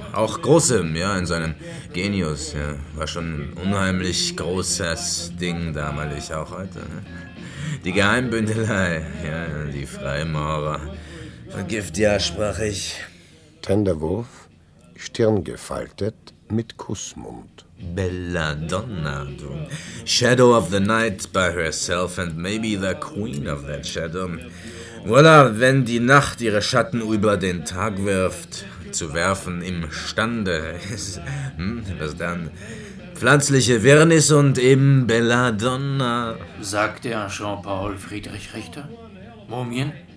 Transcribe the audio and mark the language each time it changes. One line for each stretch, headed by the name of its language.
German: Auch Großem, ja, in seinem Genius, ja. War schon ein unheimlich großes Ding damalig, auch heute. Ne? Die Geheimbündelei, ja, die Freimaurer. Vergift, ja, sprach ich. Tenderwolf, Stirn gefaltet, mit Kussmund. Belladonna, du.
English: Shadow of the night by herself and maybe the queen of that shadow.
German: Voilà, wenn die Nacht ihre Schatten über den Tag wirft, zu werfen imstande ist. Was dann? Pflanzliche Wirrnis und eben Belladonna. Sagt der Jean-Paul Friedrich Richter? Mumien?